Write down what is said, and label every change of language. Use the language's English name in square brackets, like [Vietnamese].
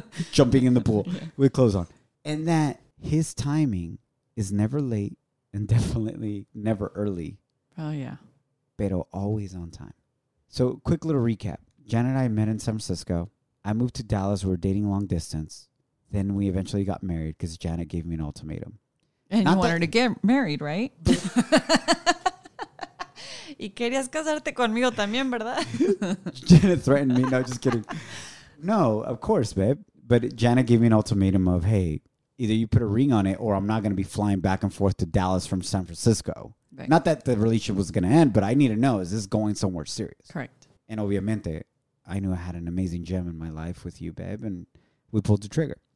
[English] Jumping in the pool with clothes on. And that his timing is never late and definitely never early. Oh, yeah. Pero always on time. So quick little recap. Jen and I met in San Francisco. I moved to Dallas. We were dating long distance. Then we eventually got married because Janet gave me an ultimatum. And not you wanted to get married, right? [Spanish] Y querías casarte conmigo también, ¿verdad? [English] Janet threatened me. No, just kidding. No, of course, babe. But Janet gave me an ultimatum of, hey, either you put a ring on it or I'm not going to be flying back and forth to Dallas from San Francisco. Right. Not that the relationship was going to end, but I need to know, is this going somewhere serious? Correct. And obviamente, I knew I had an amazing gem in my life with you, babe, and we pulled the trigger.